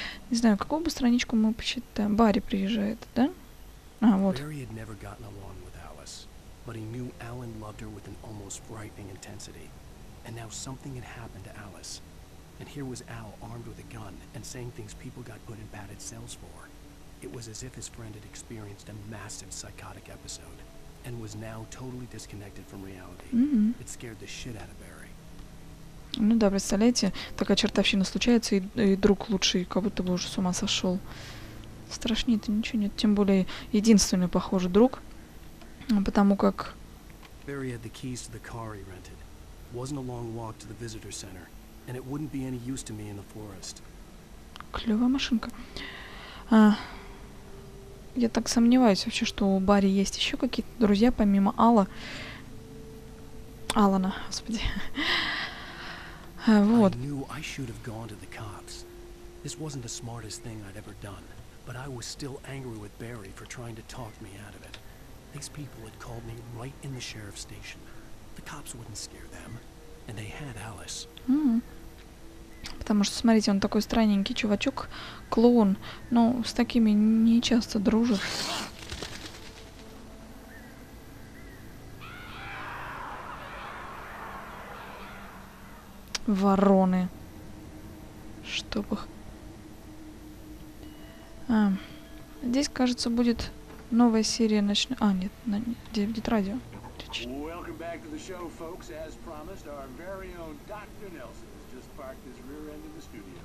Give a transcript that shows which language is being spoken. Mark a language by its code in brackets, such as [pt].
[ru] Не знаю, какую бы страничку мы почитаем. Барри приезжает, да? А, вот. [en] Barry had never gotten along with Alice, but he knew Alan loved her with an almost frightening intensity. And now something had happened to Alice. And here was Al armed with a gun and saying things people got put in padded cells for. It was as if his friend had experienced a massive psychotic episode and was now totally disconnected from reality. It scared the shit out of Barry. [ru] Ну да, представляете, такая чертовщина случается, и друг лучший, как будто бы уже с ума сошел. Страшнее-то ничего нет. Тем более, единственный, похоже, друг. Потому как... [en] Barry had the keys to the car he rented. Wasn't a long walk to the visitor center. And it wouldn't be any use to me in the forest. [ru] Клёвая машинка. А, я так сомневаюсь вообще, что у Барри есть еще какие-то друзья, помимо Алла. Алана, господи. А, вот. [en] I knew I should have gone to the cops. This wasn't the smartest thing I'd ever done. But I was still angry with Barry for trying to talk me out of it. These people had called me right in the sheriff's station. The cops wouldn't scare them, and they had Alice. [ru] Потому что, смотрите, он такой странненький чувачок, клоун, но с такими не часто дружит. Вороны. Чтобы... А, здесь, кажется, будет новая серия ночной... А, нет, где радио? отлично. [en] Welcome back to the show, folks. As promised, our very own Dr. Nelson has just parked his rear end in the studio.